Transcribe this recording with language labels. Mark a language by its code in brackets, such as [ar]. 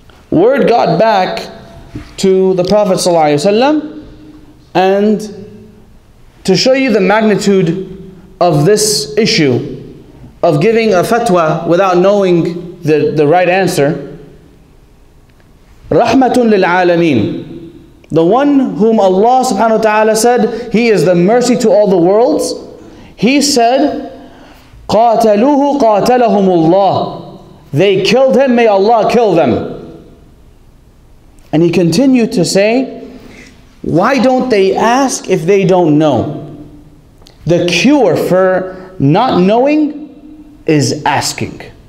[en] Word got back to the Prophet ﷺ, and to show you the magnitude of this issue of giving a fatwa without knowing the right answer, [ar] Rahmatun lil alameen. [en] The one whom Allah subhanahu wa ta'ala said, he is the mercy to all the worlds. He said, [ar] قَاتَلُوهُ قَاتَلَهُمُ اللَّهُ. [en] They killed him, may Allah kill them. And he continued to say, why don't they ask if they don't know? The cure for not knowing is asking.